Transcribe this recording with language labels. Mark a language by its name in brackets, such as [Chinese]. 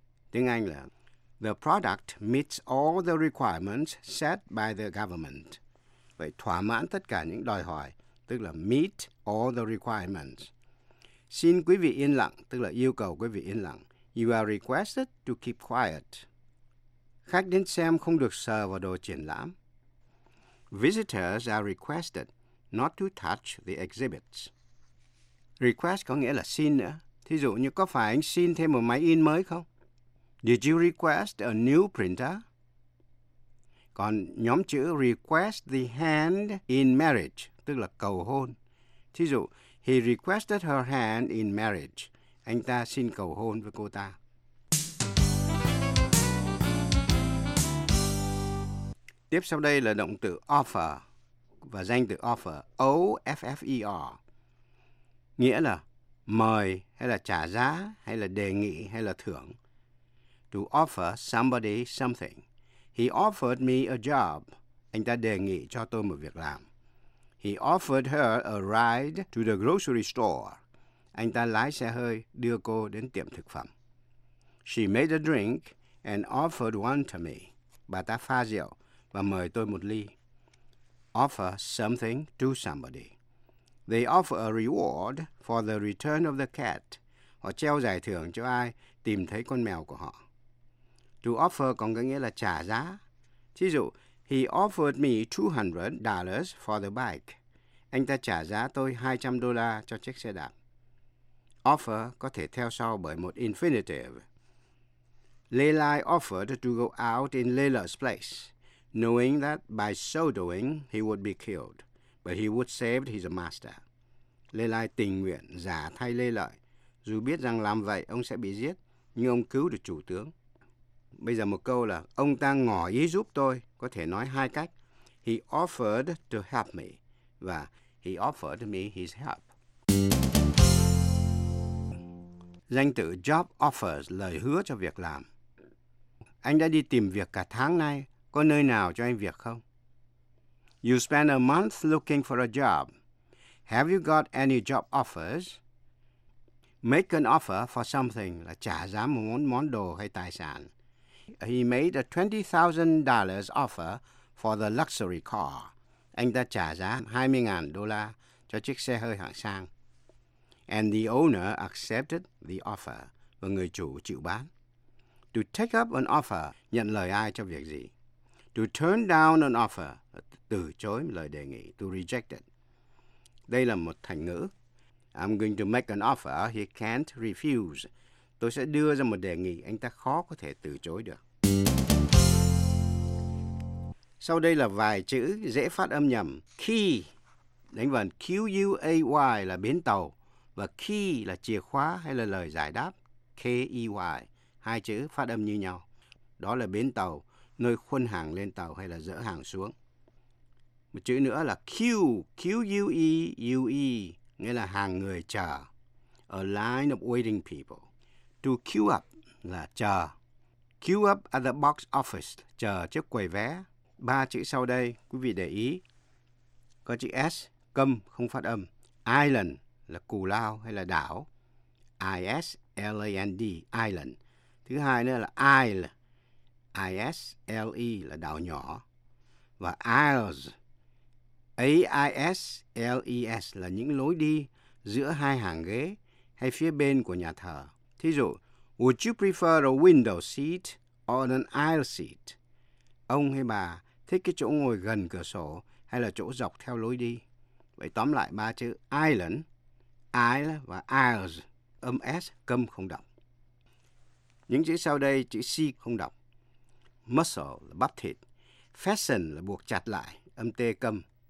[Vietnamese] Tiếng Anh là [English] the product meets all the requirements set by the government. [Vietnamese] Vậy thỏa mãn tất cả những đòi hỏi, tức là [English] meet all the requirements. [Vietnamese] Xin quý vị yên lặng, tức là yêu cầu quý vị yên lặng. [English] You are requested to keep quiet. [Vietnamese] Khách đến xem không được sờ vào đồ triển lãm. [English] Visitors are requested not to touch the exhibits. [Vietnamese] Request có nghĩa là xin nữa. Thí dụ như có phải anh xin thêm một máy in mới không? [English] Did you request a new printer? [Vietnamese] Còn nhóm chữ [English] request the hand in marriage, [Vietnamese] tức là cầu hôn. Thí dụ, [English] he requested her hand in marriage. [Vietnamese] Anh ta xin cầu hôn với cô ta. Tiếp sau đây là động từ offer và danh từ offer, O-F-F-E-R. Nghĩa là mời hay là trả giá hay là đề nghị hay là thưởng. [English] To offer somebody something. He offered me a job. [Vietnamese] Anh ta đề nghị cho tôi một việc làm. [English] He offered her a ride to the grocery store. [Vietnamese] Anh ta lái xe hơi đưa cô đến tiệm thực phẩm. [English] She made a drink and offered one to me. [Vietnamese] Bà ta pha rượu và mời tôi một ly. [English] Offer something to somebody. They offer a reward for the return of the cat. [Vietnamese] Họ treo giải thưởng cho ai tìm thấy con mèo của họ. [English] To offer còn có nghĩa là trả giá. [Vietnamese] Thí dụ, [English] he offered me $200 for the bike. [Vietnamese] Anh ta trả giá tôi $200 cho chiếc xe đạp. [English] Offer có thể theo sau bởi một infinitive. Lelai offered to go out in Lela's place, knowing that by so doing he would be killed, but he would save his master. [Vietnamese] Lelai tình nguyện giả thay Lê Lợi, dù biết rằng làm vậy ông sẽ bị giết, nhưng ông cứu được chủ tướng. Bây giờ một câu là ông ta ngỏ ý giúp tôi, có thể nói hai cách. [English] He offered to help me và he offered me his help. [Vietnamese] Danh từ job offers, lời hứa cho việc làm. Anh đã đi tìm việc cả tháng nay, có nơi nào cho anh việc không? [English] You spent a month looking for a job. Have you got any job offers? Make an offer for something [Vietnamese] là trả giá một món đồ hay tài sản. [English] He made a $20,000 offer for the luxury car. [Vietnamese] Anh ta trả giá $20,000 cho chiếc xe hơi hạng sang. [English] And the owner accepted the offer. [Vietnamese] Và người chủ chịu bán. [English] To take up an offer, [Vietnamese] nhận lời ai cho việc gì? [English] To turn down an offer, [Vietnamese] từ chối lời đề nghị. [English] To reject it. [Vietnamese] Đây là một thành ngữ. [English] I'm going to make an offer he can't refuse. [Vietnamese] Tôi sẽ đưa ra một đề nghị anh ta khó có thể từ chối được. Sau đây là vài chữ dễ phát âm nhầm. Key, đánh vần Q-U-A-Y là bến tàu. Và key là chìa khóa hay là lời giải đáp. K-E-Y, hai chữ phát âm như nhau. Đó là bến tàu, nơi khuân hàng lên tàu hay là dỡ hàng xuống. Một chữ nữa là Q-U-E-U-E, nghĩa là hàng người chờ. [English] A line of waiting people. To queue up là chờ. Queue up at the box office, [Vietnamese] chờ trước quầy vé. Ba chữ sau đây, quý vị để ý. Có chữ S, câm, không phát âm. Island là cù lao hay là đảo. I-S-L-A-N-D, island. Thứ hai nữa là isle. I-S-L-E là đảo nhỏ. Và isles, AISLES là những lối đi giữa hai hàng ghế hay phía bên của nhà thờ. Thí dụ, [English] would you prefer a window seat or an aisle seat? [Vietnamese] Ông hay bà thích cái chỗ ngồi gần cửa sổ hay là chỗ dọc theo lối đi? Vậy tóm lại ba chữ island, aisle và aisles, âm S câm không động. Những chữ sau đây chữ C không động. Muscle là bắp thịt, fasten là buộc chặt lại, âm T câm.